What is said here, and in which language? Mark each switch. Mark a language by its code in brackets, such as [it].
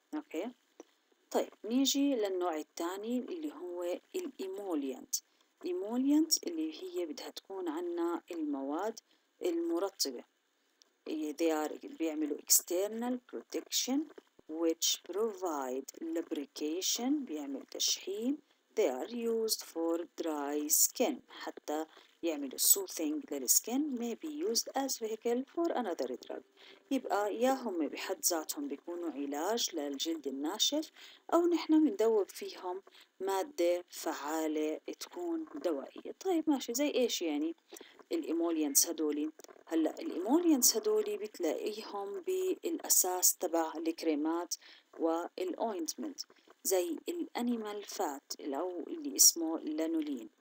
[ar] اوكي طيب نيجي للنوع الثاني اللي هو الايموليانت. الايموليانت اللي هي بدها تكون عنا المواد المرطبه، بيعملوا [en] external protection which provide lubrication، [ar] بيعمل تشحيم. [en] They are used for dry skin، [ar] حتى يعمل soothing للسكن. [en] May be used as vehicle for another drug، [ar] يبقى يا هم بحد ذاتهم بيكونوا علاج للجلد الناشف، أو نحن مندوب فيهم مادة فعالة تكون دوائية. طيب ماشي، زي إيش يعني الإيموليانس هدولي؟ هلأ الإيموليانس هدولي بتلاقيهم بالأساس تبع الكريمات والأوينتمنت، زي الأنيمال فات أو اللي اسمه اللانولين.